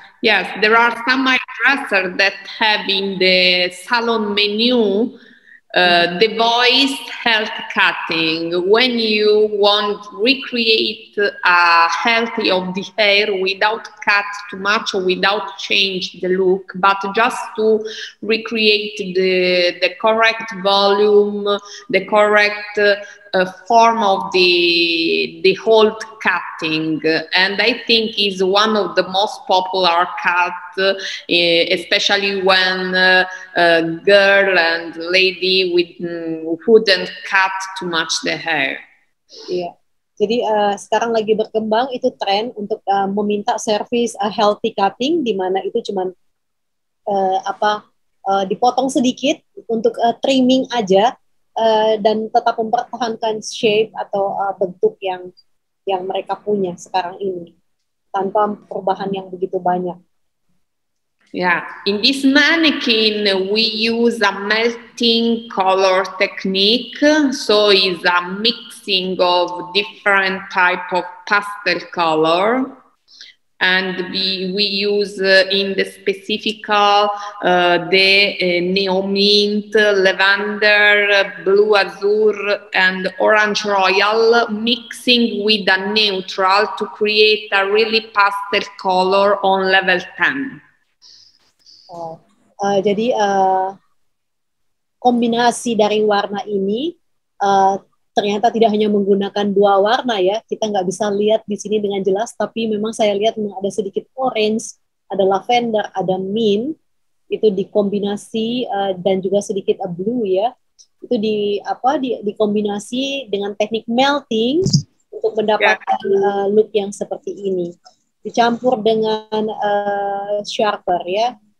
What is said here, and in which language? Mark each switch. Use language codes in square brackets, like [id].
[en] Yes, there are some hairdressers that have in the salon menu the voice health cutting, when you want recreate a healthy of the hair without cut too much or without change the look, but just to recreate the correct volume, the correct form of the whole cutting. And I think is one of the most popular cut, especially when girl and lady with wouldn't cut too much the hair. Yeah. [id] Jadi sekarang lagi berkembang itu tren untuk meminta service a healthy cutting, di mana itu cuman dipotong sedikit untuk trimming aja, dan tetap mempertahankan shape atau bentuk yang mereka punya sekarang ini tanpa perubahan yang begitu banyak. [en] Yeah, in this mannequin we use a melting color technique, so it's a mixing of different type of pastel color, and we use in the specific the neomint, lavender, blue azure and orange royal, mixing with a neutral to create a really pastel color on level 10. [id] Jadi kombinasi dari warna ini ternyata tidak hanya menggunakan dua warna ya, kita nggak bisa lihat di sini dengan jelas, tapi memang saya lihat memang ada sedikit orange, ada lavender, ada mint, itu dikombinasi dan juga sedikit blue ya, itu dikombinasi dengan teknik melting untuk mendapatkan look yang seperti ini, dicampur dengan sharper ya.